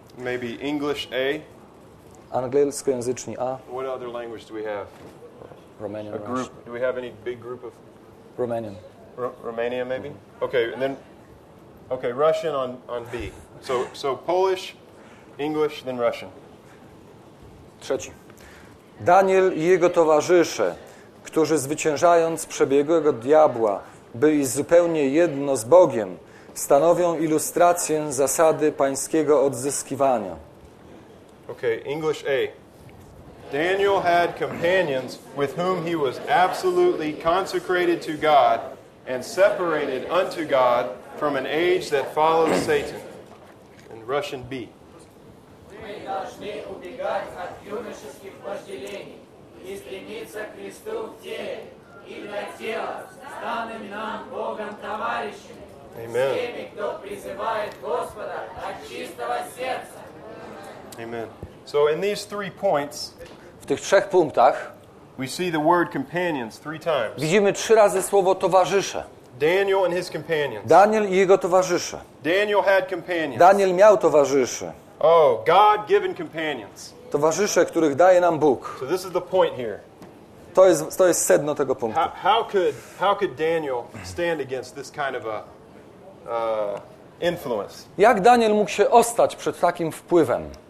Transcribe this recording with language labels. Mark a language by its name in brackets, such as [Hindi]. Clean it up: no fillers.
[English] Maybe English A. [Polish] Angielskojęzyczni A. [English] What other language do we have? Romanian. A group. Do we have any big group of Romanian? Romania maybe? Mm-hmm. Okay, and then okay, Russian on B. So Polish, English, then Russian. [Polish] Trzeci. Daniel i jego towarzysze, którzy zwyciężając przebiegłego diabła, byli zupełnie jedno z Bogiem, stanowią ilustrację zasady pańskiego odzyskiwania. [English] Okay, English A. Daniel had companions with whom he was absolutely consecrated to God and separated unto God from an age that followed Satan. In Russian B. Amen. Amen. So in these three points, [Polish] w tych trzech punktach, [English] we see the word companions three times. [Polish] Widzimy trzy razy słowo towarzysze. [English] Daniel and his companions. [Polish] Daniel i jego towarzysze. [English] Daniel had companions. [Polish] Daniel miał towarzyszy. [English] Oh, God-given companions. [Polish] Towarzysze, których daje nam Bóg. [English] So this is the point here. [Polish] To jest sedno tego punktu. [English] How could Daniel stand against this kind of a influence? [Polish] Jak Daniel mógł się ostać przed takim wpływem?